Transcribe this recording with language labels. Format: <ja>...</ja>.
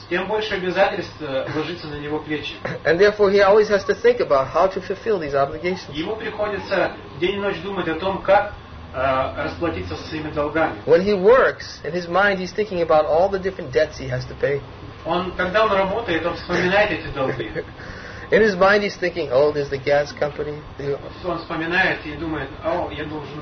<ru>Тем больше обязательств ложится на его плечи.</ru> <en>And therefore, he always has to think about how to fulfill these obligations.</en> <ru>Ему приходится день и ночь думать о том, как расплатиться со своими долгами.</ru> <en>When he works, in his mind, he's thinking about all the different debts he has to pay.</en> <ru>Он, когда он работает, он вспоминает эти долги.</ru> <en>In his mind, he's thinking, "Oh, there's the gas company."</en> <ru>Он вспоминает и думает, "О, я должен."</ru>